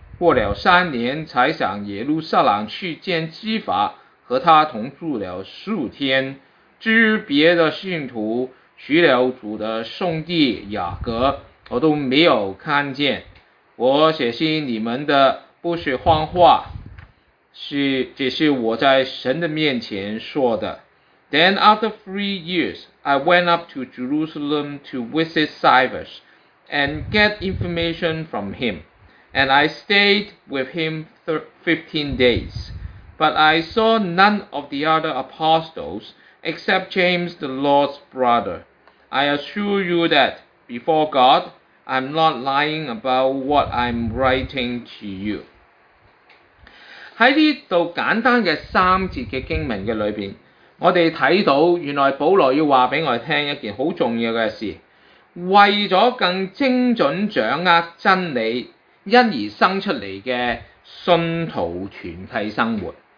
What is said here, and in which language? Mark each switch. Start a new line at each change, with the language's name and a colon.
Chinese: 过了三年才上耶路撒冷去见基法，和他同住了十五天。至于别的信徒，除了主的兄弟雅各，我都没有看见。我写信你们的不是谎话，只是我在神的面前说的。
English: Then after 3 years, I went up to Jerusalem to visit Silas and get information from him, and I stayed with him 15 days. But I saw none of the other apostles except James the Lord's brother. I assure you that before God, I'm not lying about what I'm writing to you.
Chinese: 在这里简单的三节的经文里面，我们看到原来保罗要告诉我们一件很重要的事，为了更精准掌握真理，因而生出来的信徒团契生活，